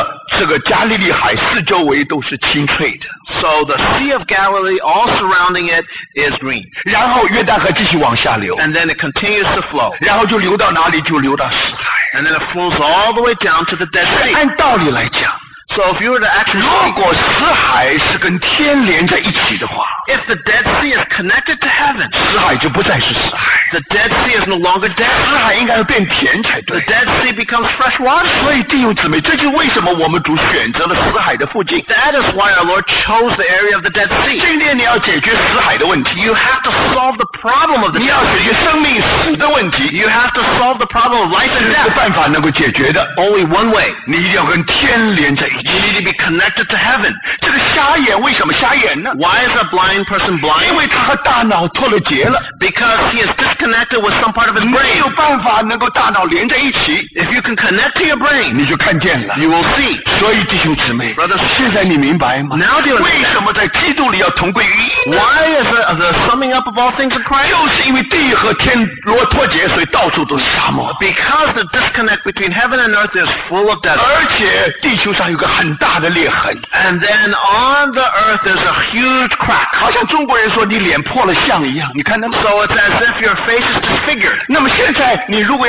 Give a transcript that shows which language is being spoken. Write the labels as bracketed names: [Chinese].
[Chinese] 所以不要忘记，这个整个的这个加利利海四周围都是清翠的。 [English] So the Sea of Galilee, all surrounding it, is green. [Chinese] 然后约旦河继续往下流。 [English] And then it continues to flow. [Chinese] 然后就流到哪里？就流到死海。 [English] And then it flows all the way down to the Dead Sea. [Chinese] 按道理来讲， [English] so if you were to actually, [Chinese] 如果死海是跟天连在一起的话， [English] if the Dead Sea is connected to heaven, [Chinese] 死海就不再是死海。 [English] The Dead Sea is no longer dead. [Chinese] 死海应该要变甜才对。 [English] The Dead Sea becomes fresh water. [Chinese] 所以弟兄姊妹， 这就为什么我们主选择了死海的附近。 [English] That is why our Lord chose the area of the Dead Sea. [Chinese] 今天你要解决死海的问题。 [English] You have to solve the problem of the Dead Sea. [Chinese] 你要解决生命死的问题。 [English] You have to solve the problem of life and death. [Chinese] 这个办法能够解决的， [English] only one way. [Chinese] 你一定要跟天连在一起。 [English] You need to be connected to heaven. [Chinese] 这个瞎眼为什么瞎眼呢？ [English] Why is a blind person blind? [Chinese] 因为他和大脑脱了节了。 [English] Because he is connected with some part of his brain. [Chinese] 没有办法能够大脑连在一起。 [English] If you can connect to your brain, [Chinese] 你就看见了。 [English] You will see. [Chinese] 所以弟兄姊妹， [English] brothers, [Chinese] 现在你明白吗？ [English] Now do you understand? [Chinese] 为什么在基督里要同归于一？ [English] Why is the summing up of all things in Christ? [Chinese] 就是因为地和天若脱节，所以到处都是沙漠。 [English] Because the disconnect between heaven and earth is full of desert. [Chinese] 而且地球上有个很大的裂痕。 [English] And then on the earth is a huge crack. [Chinese] 好像中国人说你脸破了相一样，你看那么。 [English] So it's as if your face is disfigured.